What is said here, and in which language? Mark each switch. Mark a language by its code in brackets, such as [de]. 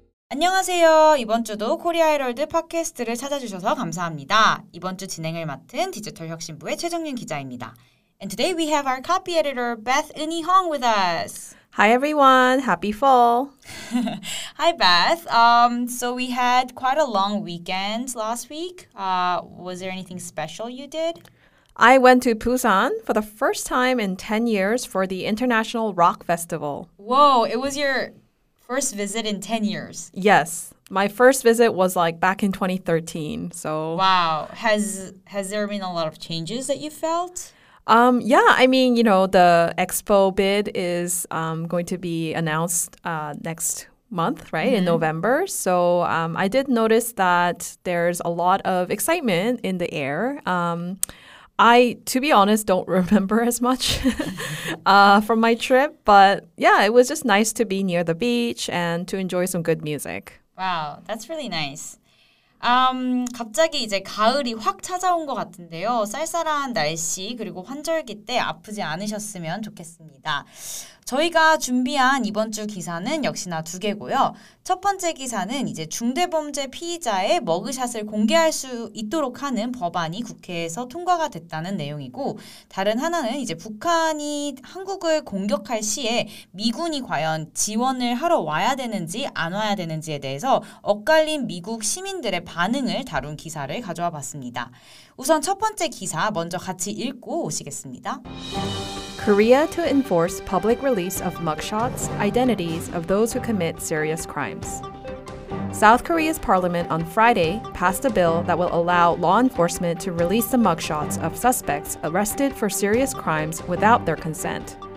[ko] 안녕하세요. 이번 주도 코리아 헤럴드 팟캐스트를 찾아주셔서 감사합니다. 이번 주 진행을 맡은 디지털 혁신부의 최정윤 기자입니다. [en] And today we have our copy editor Beth Eunhee Hong with us. Hi everyone. Happy fall. Hi Beth. So we had quite a long weekend last week. Was there anything special you did? I went to Busan for the first time in 10 years for the International Rock Festival. Whoa, it was your first visit in 10 years. Yes. My first visit was like back in 2013. So wow. Has there been a lot of changes that you felt? Yeah, I mean, you know, the expo bid is going to be announced next month, right, mm-hmm. in November. So I did notice that there's a lot of excitement in the air. I, to be honest, don't remember as much from my trip. But yeah, it was just nice to be near the beach and to enjoy some good music. Wow, that's really nice. [ko] 갑자기 이제 가을이 확 찾아온 것 같은데요. 쌀쌀한 날씨 그리고 환절기 때 아프지 않으셨으면 좋겠습니다. 저희가 준비한 이번 주 기사는 역시나 두 개고요. 첫 번째 기사는 이제 중대범죄 피의자의 머그샷을 공개할 수 있도록 하는 법안이 국회에서 통과가 됐다는 내용이고 다른 하나는 이제 북한이 한국을 공격할 시에 미군이 과연 지원을 하러 와야 되는지 안 와야 되는지에 대해서 엇갈린 미국 시민들의 반응을 다룬 기사를 가져와 봤습니다. 우선 첫 번째 기사 먼저 같이 읽고 오시겠습니다. [en] Korea to enforce public release of mugshots, identities of those who commit serious crimes. South Korea's parliament on Friday passed a bill that will allow law enforcement to release the mugshots of suspects arrested for serious crimes without their consent.